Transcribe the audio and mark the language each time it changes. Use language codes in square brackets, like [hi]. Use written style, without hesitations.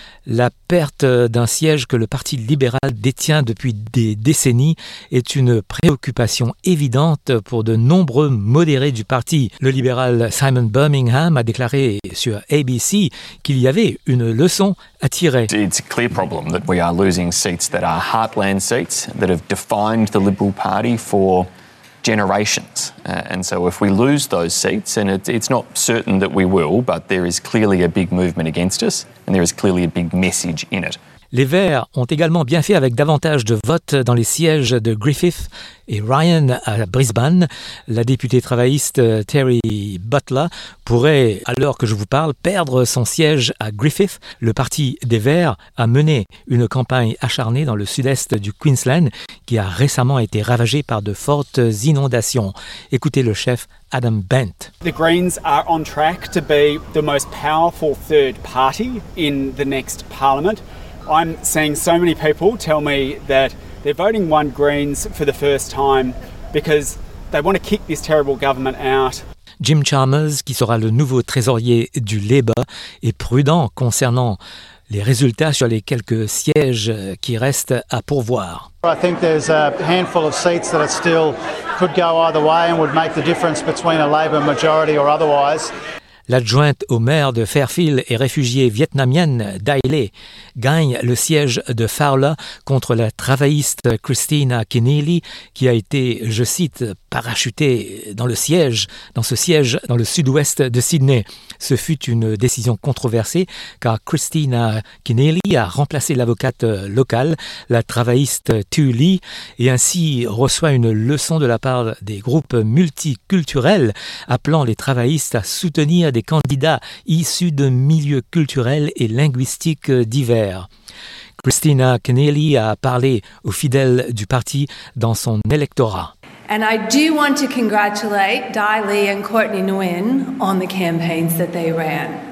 [fr] La perte d'un siège que le Parti libéral détient depuis des décennies est une préoccupation évidente pour de nombreux modérés du parti. Le libéral Simon Birmingham a déclaré sur ABC qu'il y avait une leçon à tirer. [en] It's a clear problem that we are losing seats that are heartland seats that have defined the Liberal Party for generations. And so if we lose those seats, and it's not certain that we will, but there is clearly a big movement against us, and there is clearly a big message in it. [fr] Les Verts ont également bien fait avec davantage de votes dans les sièges de Griffith et Ryan à Brisbane. La députée travailliste Terry Butler pourrait, alors que je vous parle, perdre son siège à Griffith. Le Parti des Verts a mené une campagne acharnée dans le sud-est du Queensland qui a récemment été ravagée par de fortes inondations. Écoutez le chef Adam Bent. [en] The Greens are on track to be the most powerful third party in the next parliament. I'm seeing so many people tell me that they're voting one Greens for the first time because they want to kick this terrible government out. [fr] Jim Chalmers, qui sera le nouveau trésorier du Labour, est prudent concernant les résultats sur les quelques sièges qui restent à pourvoir. [en] I think there's a handful of seats that are still could go either way and would make the difference between a Labour majority or otherwise. [fr] L'adjointe au maire de Fairfield et réfugiée vietnamienne Dai Le gagne le siège de Fowler contre la travailliste Christina Keneally qui a été, je cite, parachutée dans ce siège dans le sud-ouest de Sydney. Ce fut une décision controversée car Christina Keneally a remplacé l'avocate locale, la travailliste Tu Lee, et ainsi reçoit une leçon de la part des groupes multiculturels appelant les travaillistes à soutenir des candidats issus de milieux culturels et linguistiques divers. Christina Keneally a parlé aux fidèles du parti dans son électorat. [en] And I do want to congratulate Dai Le and Courtney Nguyen on the campaigns that they ran.